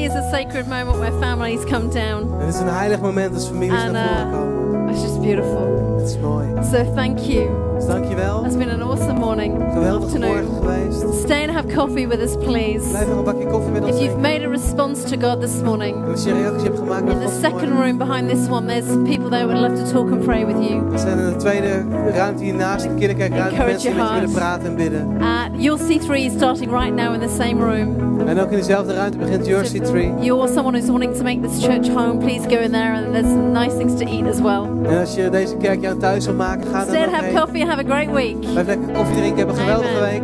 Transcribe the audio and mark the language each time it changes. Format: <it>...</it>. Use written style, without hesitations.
<en>sacred moment where families come down.</en> <nl>Het is een heilig moment als families naar voren komen.</nl> <en>It's just beautiful.</en> <nl>Het is mooi.</nl> <en>So thank you.</en> <nl>Dank je wel.</nl> <en>It's been an awesome morning.</en> <nl>Geweldig morgen geweest.</nl> <en>Stay and have coffee with us, please.</en> <nl>Blijf nog een bakje koffie met ons.</nl> <en>If you've made a response to God this morning,</en> <nl>als je reactie hebt gemaakt</nl> <en>in the second room behind this one, there's people there who would love to talk and pray with you.</en> <nl>Er zijn in de tweede ruimte hiernaast, de kinderkerkruimte, mensen die met je willen praten en bidden.</nl> <en>Your C3 is starting right now in the same room.</en> <nl>En ook in dezelfde ruimte begint your C3.</nl> <en>You're someone who's wanting to make this church home. Please go in there, and there's some nice things to eat as well.</en> <nl>En als je deze kerk jouw thuis wil maken, ga dan ook heen.</nl> <en>Have coffee, have a great week.</en> <nl>Blijf lekker koffie drinken, heb een geweldige week.</nl>